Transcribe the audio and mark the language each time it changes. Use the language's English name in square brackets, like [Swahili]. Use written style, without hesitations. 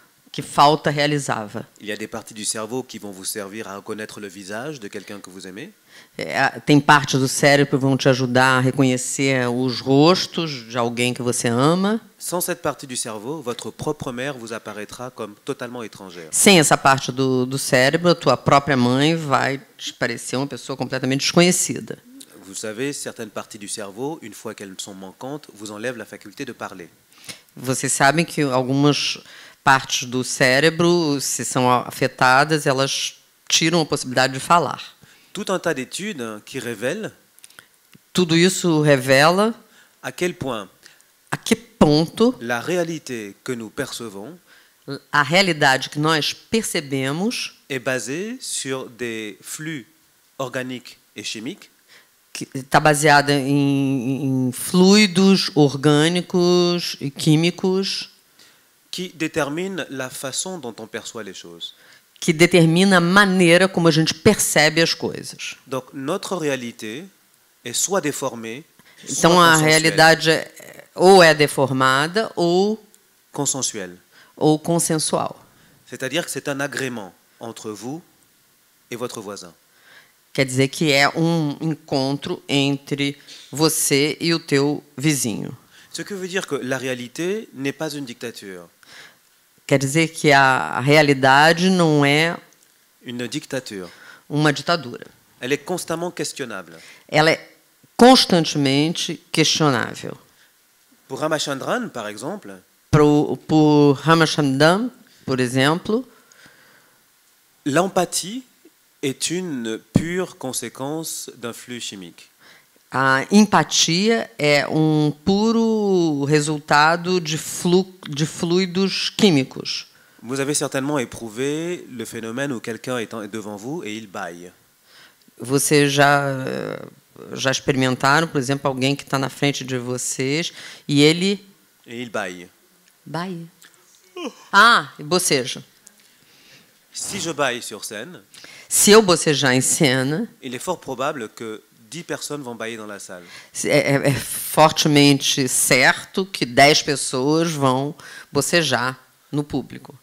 [Portuguese] que falta realizava. [French] Il y a des parties du cerveau qui vont vous servir à reconnaître le visage de quelqu'un que vous aimez. [Portuguese] Tem partes do cérebro que vão te ajudar a reconhecer os rostos de alguém que você ama. [French] Sans cette partie du cerveau, votre propre mère vous apparaîtra comme totalement étrangère. [Portuguese] Sem essa parte do cérebro, tua própria mãe vai te parecer uma pessoa completamente desconhecida. [French] Vous savez, certaines parties du cerveau, une fois qu'elles sont manquantes, vous enlèvent la faculté de parler. [Portuguese] Vocês sabem que algumas partes do cérebro, se são afetadas, elas tiram a possibilidade de falar. [French] Tout un tas d'études qui révèlent. [Portuguese] Tudo isso revela. [French] À quel point? [Portuguese] A que ponto? [French] La réalité que nous percevons. [Portuguese] A realidade que nós percebemos. [French] Est basée sur des flux organiques et chimiques. [Portuguese] Está baseada em fluidos orgânicos e químicos. que determina a [French] façon dont on perçoit les choses. [Portuguese] Que determina a maneira como a gente percebe as coisas. [French] Donc notre réalité est soit déformée, [Portuguese] então a realidade ou é deformada ou [French] consensuelle. [Portuguese] Ou consensual. [French] C'est-à-dire que c'est un agrément entre vous et votre voisin. [Portuguese] Quer dizer que é um encontro entre você e o teu vizinho. [French] Ce que veut dire que la réalité n'est pas une dictature. [Portuguese] Quer dizer que a realidade não é [French] une dictature. [Portuguese] Uma ditadura. [French] Elle est constamment questionnable. [Portuguese] Ela é constantemente questionável. [French] Pour Ramachandran, par exemple, [Portuguese] pour Ramachandran, por exemplo, [French] l'empathie est une pure conséquence d'un flux chimique. [Portuguese] A empatia é um puro resultado de fluidos químicos. [French] Vous avez certainement éprouvé le phénomène où quelqu'un est devant vous et il bâille. [Portuguese] Vocês já experimentaram, por exemplo, alguém que está na frente de vocês e ele... [French] Et il bâille. [Portuguese] Bâille. Ah, boceja. [French] Si je bâille sur scène, [Portuguese] se eu bocejar em cena, [French] il est fort probable que 10 personnes vont bâiller dans la salle. [Portuguese] É fortemente certo que 10 pessoas vão bocejar no público.